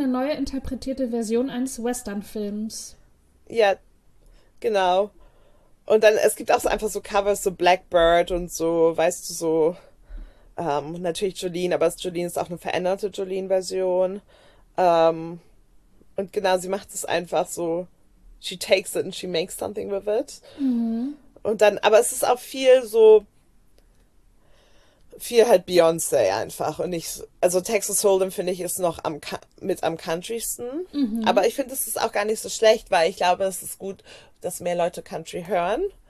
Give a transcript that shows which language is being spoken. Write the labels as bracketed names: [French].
[German] eigene, neu interpretierte Version eines Western-Films. Ja, genau. Und dann, es gibt auch so einfach so Covers, so Blackbird und so, weißt du, so Natürlich Jolene, aber Jolene ist auch eine veränderte Jolene-Version. Und genau, sie macht es einfach so. [English] She takes it and she makes something with it. [German] Und dann, aber es ist auch viel so, viel halt Beyoncé einfach. Und ich, also Texas Hold'em finde ich ist noch am, mit am countrysten. Aber ich finde, es ist auch gar nicht so schlecht, weil ich glaube, es ist gut, dass mehr Leute Country hören.